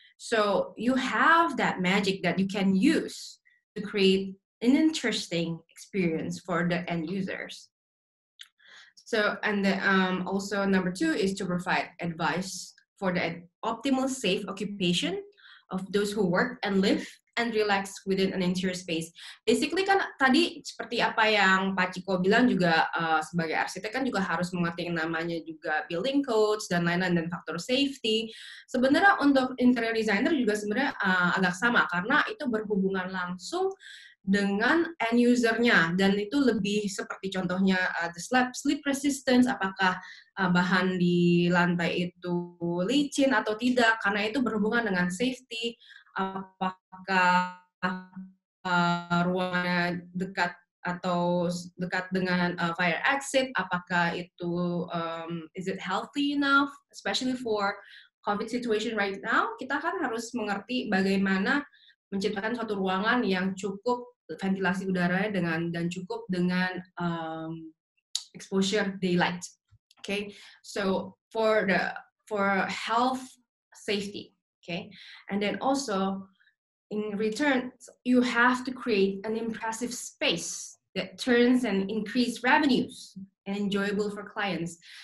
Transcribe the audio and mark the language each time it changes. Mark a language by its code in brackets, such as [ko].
[en] So you have that magic that you can use to create an interesting experience for the end users. So, and then, also number two is to provide advice for the optimal safe occupation of those who work and live and relax within an interior space. [id] Basically kan tadi seperti apa yang Pak Chico bilang juga sebagai arsitek kan juga harus mengerti yang namanya juga building codes dan lain-lain dan faktor safety. Sebenarnya untuk interior designer juga sebenarnya agak sama karena itu berhubungan langsung dengan end usernya dan itu lebih seperti contohnya [en] the slip resistance, [id] apakah bahan di lantai itu licin atau tidak, karena itu berhubungan dengan safety, apakah ruangnya dekat atau dekat dengan fire exit, apakah itu [en] is it healthy enough, especially for COVID situation right now, [id] kita kan harus mengerti bagaimana menciptakan suatu ruangan yang cukup ventilasi udaranya dengan dan cukup dengan exposure daylight. [en] Okay, so for health safety. Okay, and then also in return, you have to create an impressive space that turns and increase revenues and enjoyable for clients.